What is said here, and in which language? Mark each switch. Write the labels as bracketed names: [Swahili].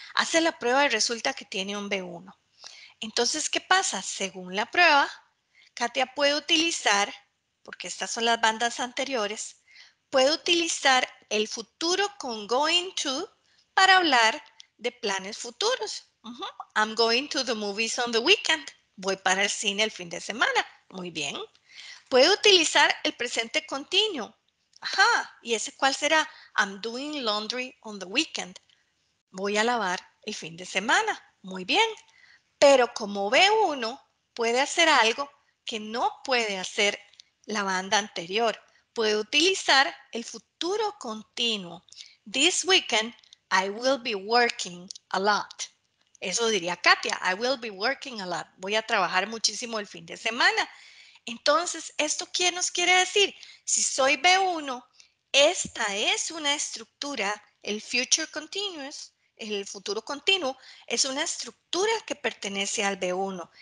[Spanish] Hace la prueba y resulta que tiene un B1. Entonces, ¿qué pasa? Según la prueba, Katia puede utilizar, porque estas son las bandas anteriores, puede utilizar el futuro con going to para hablar de planes futuros. [English] I'm going to the movies on the weekend. [Spanish] Voy para el cine el fin de semana. Muy bien. Puede utilizar el presente continuo. Ajá. ¿Y ese cuál será? [English] I'm doing laundry on the weekend. [Spanish] Voy a lavar el fin de semana. Muy bien. Pero como B1, puede hacer algo que no puede hacer la banda anterior. Puede utilizar el futuro continuo. [English] This weekend, I will be working a lot. [Spanish] Eso diría Katia. [English] I will be working a lot. [Spanish] Voy a trabajar muchísimo el fin de semana. Entonces, ¿esto qué nos quiere decir? Si soy B1, esta es una estructura, el future continuous, el futuro continuo, es una estructura que pertenece al B1.